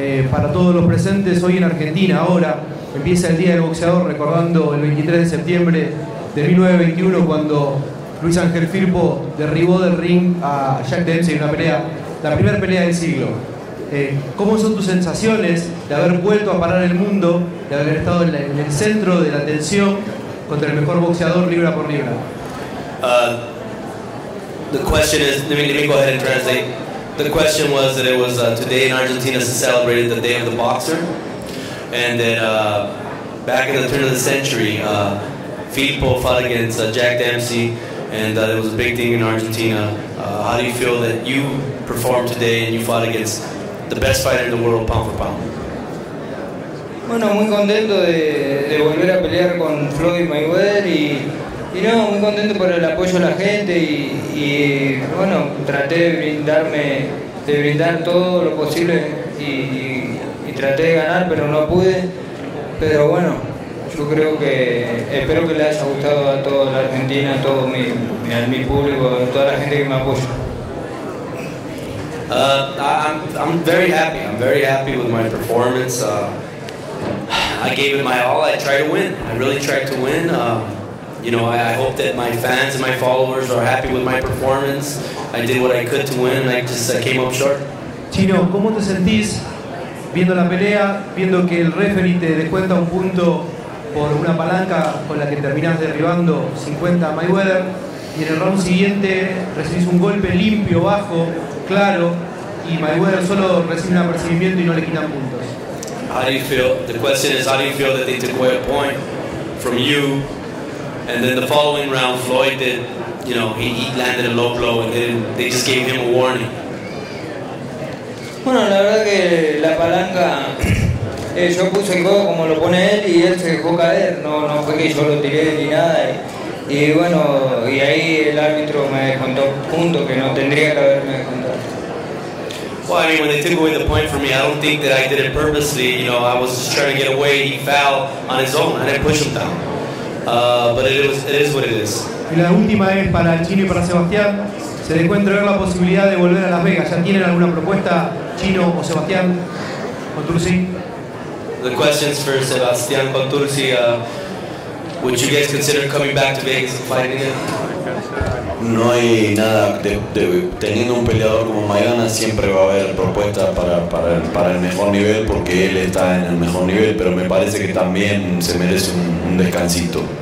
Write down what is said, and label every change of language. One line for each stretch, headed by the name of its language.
Spanish: Para todos los presentes, hoy en Argentina, ahora, empieza el Día del Boxeador recordando el 23 de septiembre de 1921 cuando Luis Ángel Firpo derribó del ring a Jack Dempsey en una pelea, la primera pelea del siglo. ¿Cómo son tus sensaciones de haber vuelto a parar el mundo, de haber estado en el centro de la atención contra el mejor boxeador libra por libra?
English: The question is, let me go ahead and translate. The question was that it was today in Argentina to celebrate the Day of the Boxer, and that back in the turn of the century, Filippo fought against Jack Dempsey, and it was a big thing in Argentina. How do you feel that you performed today and you fought against the best fighter in the world, pound for pound?
Spanish: Bueno, muy contento de volver a pelear con Floyd Mayweather y no, muy contento por el apoyo de la gente y bueno, traté de brindar todo lo posible y traté de ganar, pero no pude. Pero bueno, yo creo que espero que le haya gustado a toda la Argentina, a todo mi público, a toda la gente que me apoya.
English: I'm very happy. I'm very happy with my performance. I gave it my all. I tried to win. I really tried to win. You know, I hope that my fans and my followers are happy with my performance. I did what I could to win, and I came up short.
Spanish: Chino, ¿cómo te sentís viendo la pelea, viendo que el referee te descuenta un punto por una palanca con la que terminás derribando 50 a Mayweather, y en el round siguiente recibís un golpe limpio, bajo, claro, y Mayweather solo recibe un apercibimiento y no le quitan puntos?
English: How do you feel? The question is, how do you feel that they took away a point from you, and then the following round, Floyd did, you know, he landed a low blow, and then they just gave him a warning.
Spanish: Bueno, la verdad que la palanca, yo puse el codo como lo pone él y él se dejó caer. No fue que yo lo tiré ni nada y bueno, y ahí el árbitro me descontó puntos que no tendría que haberme descontado.
English: Well, I mean, when they took away the point from me, I don't think that I did it purposely. You know, I was just trying to get away. He fouled on his own. I didn't push him down. But it is what it is.
Spanish: Y la última es para el Chino y para Sebastián. ¿Se les puede entregar la posibilidad de volver a Las Vegas? ¿Ya tienen alguna propuesta, Chino o Sebastián Contursi?
English: The question is for Sebastián Contursi. Would you guys consider coming back to Vegas and fighting again?
Spanish: No hay nada de teniendo un peleador como Maidana, siempre va a haber propuestas para el mejor nivel, porque él está en el mejor nivel, pero me parece que también se merece un descansito.